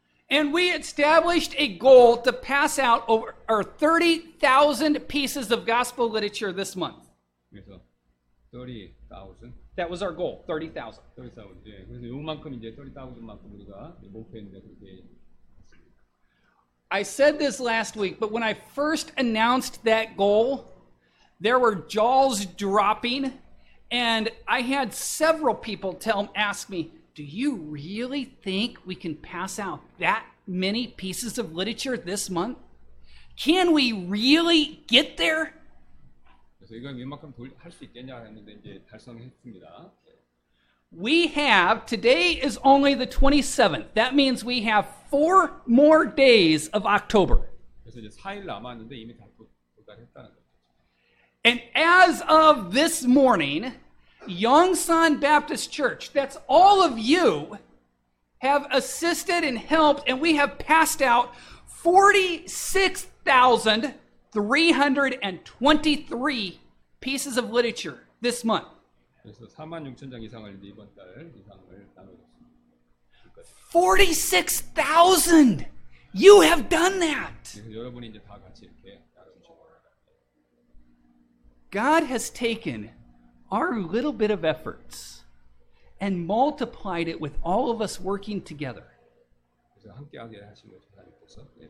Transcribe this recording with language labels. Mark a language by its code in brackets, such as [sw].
[en] And we established a goal to pass out over 30,000 pieces of gospel literature this month. [ko] 그래서 30,000. [en] That was our goal, 30,000. [ko] 30,000. 예. 그래서 요만큼 이제 30,000만큼 우리가 목표했는데 그렇게 [en] I said this last week, but when I first announced that goal, there were jaws dropping, and I had several people ask me, "Do you really think we can pass out that many pieces of literature this month? Can we really get there?" [ko] 그래서 이건 이만큼 할 수 있겠냐 했는데 이제 달성했습니다. [en] We have, today is only the 27th. That means we have four more days of October. [ko] 그래서 이제 4일 남았는데 이미 다 도달했다는 거죠. [en] And as of this morning, Yongsan Baptist Church, that's all of you, have assisted and helped, and we have passed out 46,323 pieces of literature this month. [ko] 그래서 46,000장 이상을 이번 달 이상을 나눠줬습니다. [en] 46,000. You have done that. [ko] 여러분이 이제 다 같이 이렇게 나눠주셨습니다. [en] God has taken our little bit of efforts and multiplied it with all of us working together. [ko] 그래서 함께하게 하신 것 하나님께서.